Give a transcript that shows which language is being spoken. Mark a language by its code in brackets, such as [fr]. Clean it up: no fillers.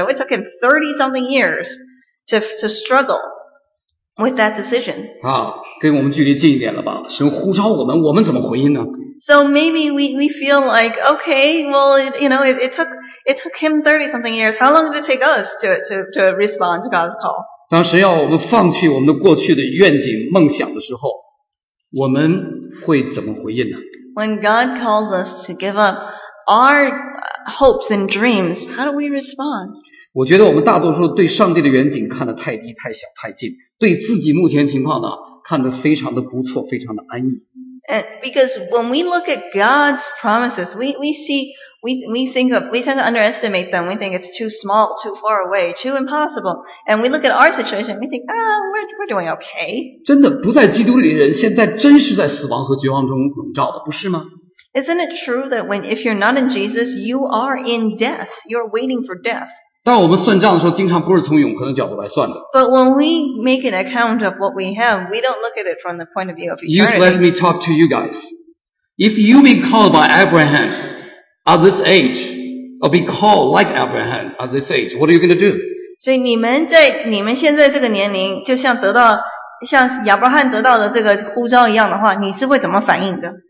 [en] So it took him 30 something years. To struggle with that decision. [zh] 好，跟我们距离近一点了吧？神呼召我们，我们怎么回应呢 [en] ？So maybe we feel like okay, well, you know, it took him 30 something years. How long did it take us to respond to God's call? [zh] 当神要我们放弃我们的过去的愿景、梦想的时候，我们会怎么回应呢 [en] ？When God calls us to give up our hopes and dreams, how do we respond? [zh] 我觉得我们大多数对上帝的远景看得太低、太小、太近，对自己目前情况呢，看得非常的不错，非常的安逸。 [en] And because when we look at God's promises, we tend to underestimate them. We think it's too small, too far away, too impossible. And we look at our situation, we think, we're doing okay. [zh] 真的不在基督里的人，现在真是在死亡和绝望中笼罩的，不是吗？ [en] Isn't it true that when if you're not in Jesus, you are in death? You're waiting for death. [zh] 但我们算账的时候经常不是从永恒的角度来算的。 [en] But when we make an account of what we have, we don't look at it from the point of view of eternity. You let me talk to you guys. If you be called by Abraham at this age, or be called like Abraham at this age, what are you going to do? [zh] 所以你们现在这个年龄就像得到像亚伯罕得到的这个呼召一样的话你是会怎么反应的